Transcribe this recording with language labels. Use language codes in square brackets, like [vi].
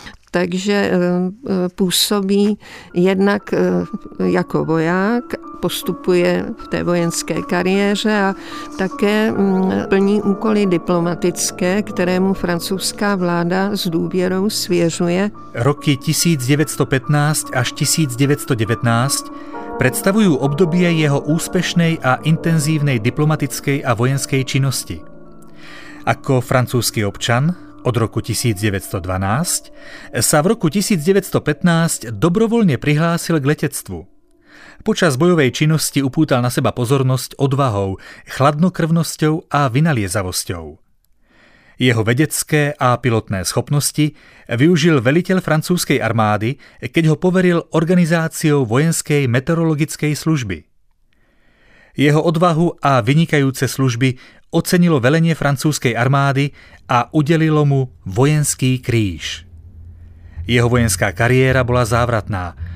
[cs] Takže působí jednak jako voják, postupuje v té vojenské kariéře a také plní úkoly diplomatické, které mu francouzská vláda s důvěrou svěřuje. [sk] Roky 1915 až 1919 predstavujú obdobie jeho úspešnej a intenzívnej diplomatickej a vojenskej činnosti. Ako francúzsky občan od roku 1912 sa v roku 1915 dobrovoľne prihlásil k letectvu. Počas bojovej činnosti upútal na seba pozornosť odvahou, chladnokrvnosťou a vynaliezavosťou. Jeho vedecké a pilotné schopnosti využil veliteľ francúzskej armády, keď ho poveril organizáciou vojenskej meteorologickej služby. Jeho odvahu a vynikajúce služby ocenilo velenie francúzskej armády a udelilo mu vojenský kríž. Jeho vojenská kariéra bola závratná.